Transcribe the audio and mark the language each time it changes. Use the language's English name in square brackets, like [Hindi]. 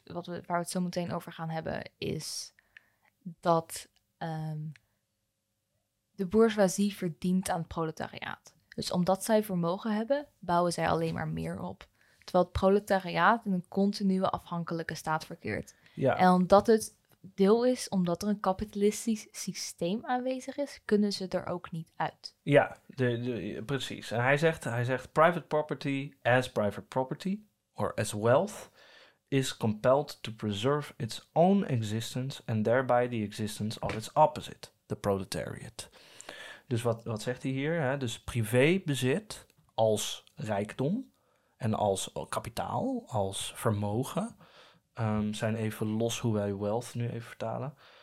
[Dutch] Waar we het zo meteen over gaan hebben. Is dat de bourgeoisie verdient aan het proletariaat. Dus omdat zij vermogen hebben, bouwen zij alleen maar meer op. Terwijl het proletariaat in een continue afhankelijke staat verkeert. Ja. En omdat het... deel is, omdat er een kapitalistisch systeem aanwezig is, kunnen ze er ook niet uit. Ja, precies. En hij zegt, [English] private property as private property, or as wealth, is compelled to preserve its own existence and thereby the existence of its opposite, the proletariat. [Dutch] Dus wat zegt hij hier? Hè? Dus privébezit als rijkdom en als kapitaal, als vermogen... zijn even los hoe wij wealth nu even vertalen.